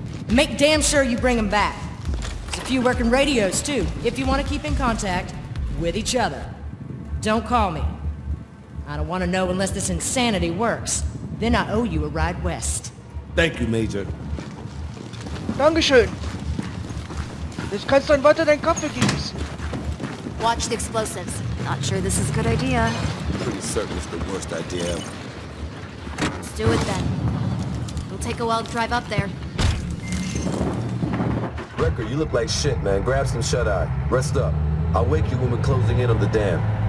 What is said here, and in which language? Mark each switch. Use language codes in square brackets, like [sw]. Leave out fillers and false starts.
[en] Make damn sure you bring them back. There's a few working radios, too, if you want to keep in contact with each other. Don't call me. I don't want to know unless this insanity works. Then I owe you a ride west. Thank you, Major. [de] Dankeschön. Jetzt kannst du ein weiter deinen Kaffee genießen. [en] Watch the explosives. Not sure this is a good idea. Pretty certain it's the worst idea. Let's do it then. It'll take a while to drive up there. Wrecker, you look like shit, man. Grab some shut-eye. Rest up. I'll wake you when we're closing in on the dam.